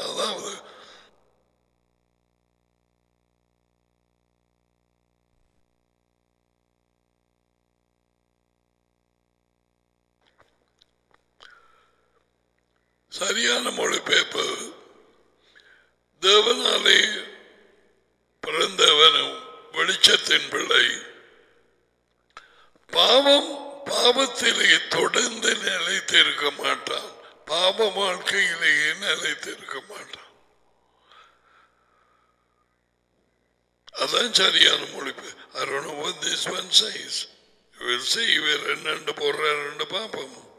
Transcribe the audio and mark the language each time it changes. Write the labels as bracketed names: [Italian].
[Tamil] அதாவது சரியான மொழிபெயர்ப்பு, தேவனாலே பிறந்தவனும் வெளிச்சத்தின் பிள்ளை, பாவம் பாவத்திலே தொடர்ந்து நிலைத்திருக்க மாட்டான், பாவ வாழ்க்கையிலேயே நிலைத்திருக்க மாட்டான். அதான் சரியான மொழிபெயர்ப்பு. [English] I don't know what this one says. You will see, [Tamil] இவர் என்னண்டு போடுறாரு பாப்பம்.